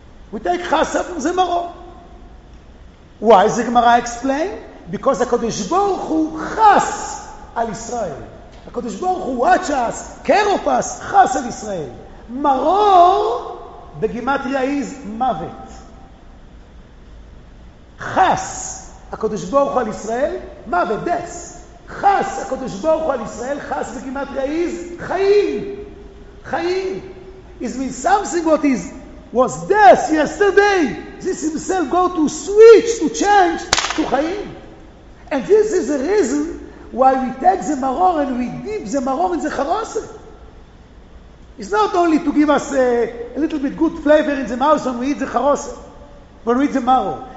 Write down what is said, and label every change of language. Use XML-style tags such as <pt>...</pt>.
<en>We take chasa from the maror. Why is the Gemara explain?</en> <he>Because HaKadosh Baruch Hu chas al Israel.</he> <en>HaKadosh Baruch Hu watch us, care of us,</en> <he>chas al Israel.</he> <en>Maror בגימטריה is מוות.</en> <he>חס הקדוש ברוך הוא על ישראל, מוות, death. חס הקדוש ברוך הוא על ישראל, חס בגימטריה is חיים. חיים.</he> <en>It means something what is, was death yesterday. This himself go to switch, to change, to חיים. And this is the reason why we take the maror and we dip the maror in the חרוסת. It's not only to give us a little bit good flavor in the mouth when we eat the charos, when we eat the maro.</en>